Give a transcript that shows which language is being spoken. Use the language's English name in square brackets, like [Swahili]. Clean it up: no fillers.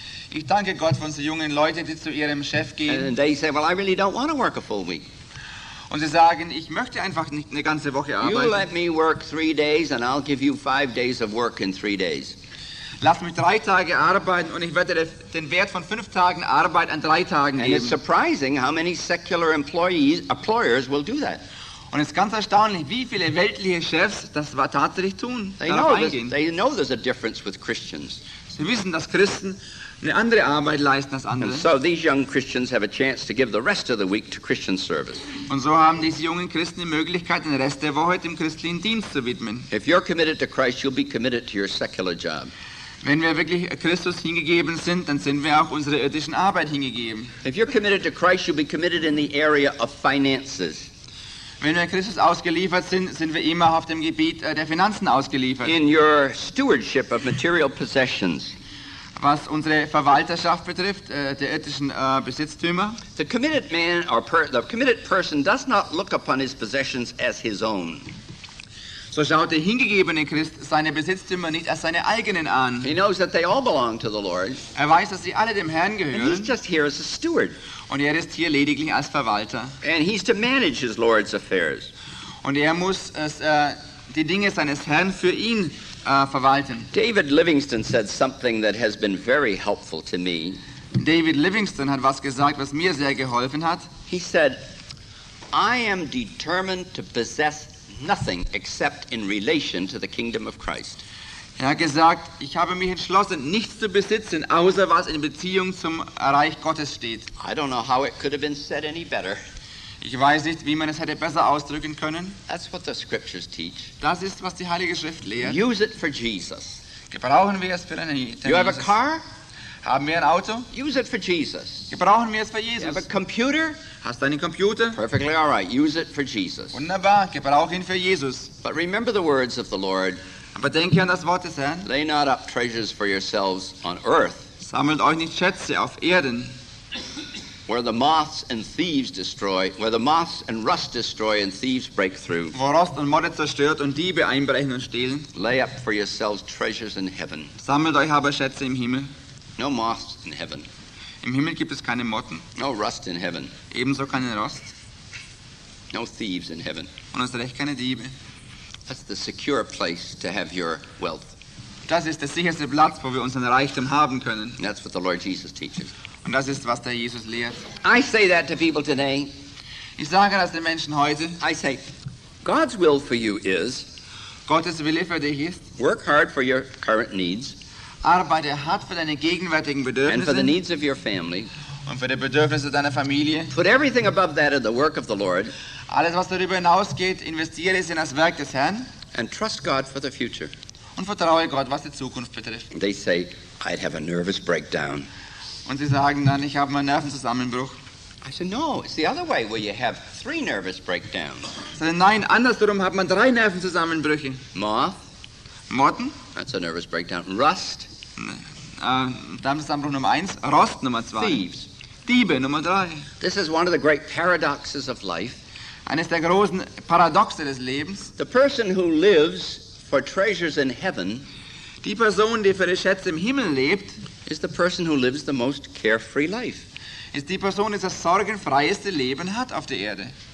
[German] Ich danke Gott für unsere jungen Leute, die zu ihrem Chef gehen. [English] And they say, well, I really don't want to work a full week. [German] Und sie sagen, ich möchte einfach nicht eine ganze Woche arbeiten. [English] You let me work 3 days and I'll give you 5 days of work in 3 days. [German] Lass mich 3 Tage arbeiten und ich werde den Wert von 5 Tagen Arbeit an 3 Tagen geben. [English] And it's surprising how many secular employers will do that. [German] Und es ist ganz erstaunlich, wie viele weltliche Chefs das tatsächlich tun. [English] They know there's a difference with Christians. [German] Sie wissen, dass Christen eine andere Arbeit leisten als andere. [English] And so these young Christians have a chance to give the rest of the week to Christian service. [German] Und so haben diese jungen Christen die Möglichkeit, den Rest der Woche dem christlichen Dienst zu widmen. [English] If you're committed to Christ, you'll be committed to your secular job. [German] Wenn wir wirklich Christus hingegeben sind, dann sind wir auch unserer irdischen Arbeit hingegeben. [English] If you're committed to Christ, you'll be committed in the area of finances. [German] Wenn wir Christus ausgeliefert sind, sind wir immer auf dem Gebiet der Finanzen ausgeliefert. [English] In your stewardship of material possessions. [German] Was unsere Verwalterschaft betrifft, der irdischen Besitztümer. [English] The committed man or the committed person does not look upon his possessions as his own. [German] So schaut der hingegebene Christ seine Besitztümer nicht als seine eigenen an. [English] He knows that they all belong to the Lord. [German] Er weiß, dass sie alle dem Herrn gehören. [English] And he's just here as a steward. [German] Und ist hier lediglich als Verwalter. [English] And he's to manage his Lord's affairs. [German] Und muss die Dinge seines Herrn für ihn verwalten. [English] David Livingstone said something that has been very helpful to me. [German] David Livingstone hat was gesagt, was mir sehr geholfen hat. [English] He said, I am determined to possess nothing except in relation to the kingdom of Christ. [German] Er hat gesagt, ich habe mich entschlossen, nichts zu besitzen, außer was in Beziehung zum Reich Gottes steht. [English] I don't know how it could have been said any better. [German] Ich weiß nicht, wie man es hätte besser ausdrücken können. [English] That's what the scriptures teach. [German] Das ist, was die Heilige Schrift lehrt. [English] Use it for Jesus. [German] Gebrauchen wir es für einen Jesus. [English] You have a car? [German] Haben wir ein Auto? [English] Use it for Jesus. [German] Gebrauchen wir es für Jesus. [English] You have a computer? [German] Hast du einen Computer? [English] Perfectly all right. Use it for Jesus. [German] Wunderbar. Gebrauch ihn für Jesus. [English] But remember the words of the Lord. [German] Aber denke an das Wort des Herrn. [English] Lay not up treasures for yourselves on earth. [German] Sammelt euch nicht Schätze auf Erden. [English] Where the moths and thieves destroy, where the moths and rust destroy and thieves break through. [German] Wo Rost und Morde zerstört und Diebe einbrechen und stehlen. [English] Lay up for yourselves treasures in heaven. [German] Sammelt euch aber Schätze im Himmel. [English] No moths in heaven. [German] Im Himmel gibt es keine Motten. [English] No rust in heaven. [German] Ebenso keinen Rost. [English] No thieves in heaven. [German] Und es recht keine Diebe. [English] That's the secure place to have your wealth. [German] Das ist der sicherste Platz, wo wir unseren Reichtum haben können. [English] That's what the Lord Jesus teaches. [German] Und das ist, was der Jesus lehrt. [English] I say that to people today. [German] Ich sage das den Menschen heute. [English] I say, God's will for you is, [German] Gottes Wille für dich ist, [English] work hard for your current needs, [German] arbeite hart für deine gegenwärtigen Bedürfnisse, [English] and for the needs of your family, [German] und für die Bedürfnisse deiner Familie. [English] Put everything above that in the work of the Lord. [German] Alles, was darüber hinausgeht, investiere es in das Werk des Herrn. [English] And trust God for the future. [German] Und vertraue Gott, was die Zukunft betrifft. [English] They say, I'd have a nervous breakdown. [German] Und sie sagen dann, ich habe einen Nervenzusammenbruch. [English] I said, no, it's the other way, where you have three nervous breakdowns. [German] Nein, andersherum hat man drei Nervenzusammenbrüche. [English] Moth. [German] Motten. [English] That's a nervous breakdown. Rust. [German] Nervenzusammenbruch Nummer eins. Rost Nummer zwei. [English] Thieves. [German] Diebe Nummer drei. [English] This is one of the great paradoxes of life. [German] Eines der großen Paradoxe des Lebens. [English] The person who lives for treasures in heaven. [German] Die Person, die für die Schätze im Himmel lebt. [English] Is the person who lives the most carefree life. [German] Ist die Person, die das sorgenfreieste Leben hat auf der Erde.